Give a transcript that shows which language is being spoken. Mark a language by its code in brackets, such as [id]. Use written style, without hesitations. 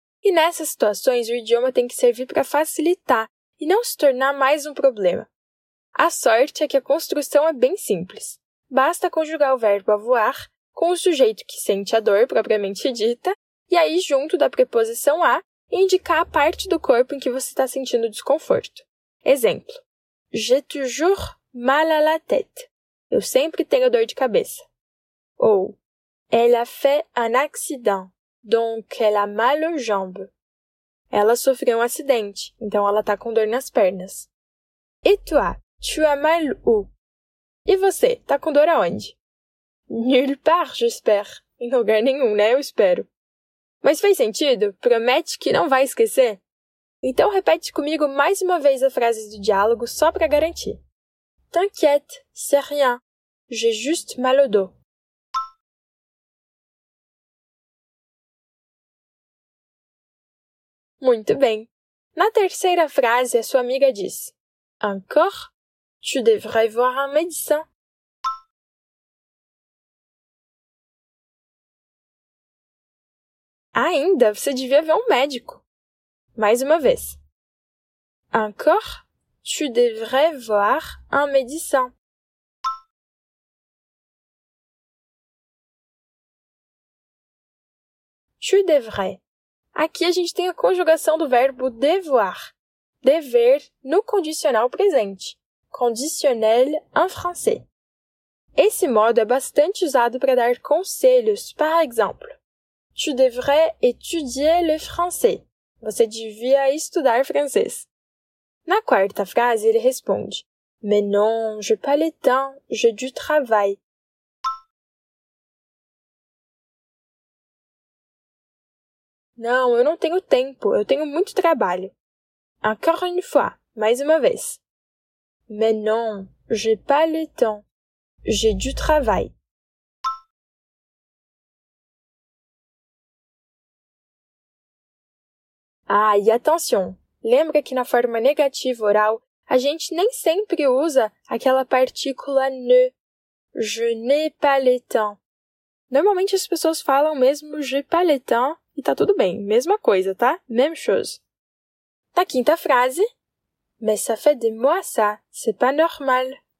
[pt] E nessas situações, o idioma tem que servir para facilitar e não se tornar mais um problema. A sorte é que a construção é bem simples. Basta conjugar o verbo avoir com o sujeito que sente a dor propriamente dita e aí, junto da preposição a, indicar a parte do corpo em que você está sentindo desconforto. Exemplo. [fr] J'ai toujours mal à la tête. [pt] Eu sempre tenho dor de cabeça. [fr] Ou elle a fait un accident, donc elle a mal aux jambes. [pt] Ela sofreu um acidente, então ela está com dor nas pernas. [fr] Et toi, tu as mal où? [pt] E você, tá com dor aonde? [fr] Nulle part, j'espère. [pt] Em lugar nenhum, né? Eu espero. Mas fez sentido? Promete que não vai esquecer? Então repete comigo mais uma vez a frase do diálogo, só para garantir. [fr] T'inquiète, c'est rien. J'ai juste mal au dos. [pt] Muito bem. Na terceira frase, a sua amiga diz. [fr] Encore? Tu devrais voir un médecin. [pt] Ainda, você devia ver um médico. Mais uma vez. [fr] Encore, tu devrais voir un médecin. Tu devrais. [pt] Aqui a gente tem a conjugação do verbo devoir, dever, no condicional presente. [fr] Conditionnel en français. [pt] Esse modo é bastante usado para dar conselhos, [fr] par exemple. Tu devrais étudier le français. [pt] Você devia estudar francês. Na quarta frase, ele responde. [fr] Mais non, j'ai pas le temps, j'ai du travail. [pt] Não, eu não tenho tempo, eu tenho muito trabalho. [fr] Encore une fois, [pt] mais uma vez. [fr] Mais non, j'ai pas le temps. J'ai du travail. [pt] Ah, e attention! Lembra que na forma negativa oral, a gente nem sempre usa aquela partícula ne. [fr] Je n'ai pas le temps. [pt] Normalmente as pessoas falam mesmo [fr] j'ai pas le temps [pt] e tá tudo bem. Mesma coisa, tá? [fr] Même chose. [pt] Na quinta frase. [fr] Mais ça fait des mois ça, c'est pas normal.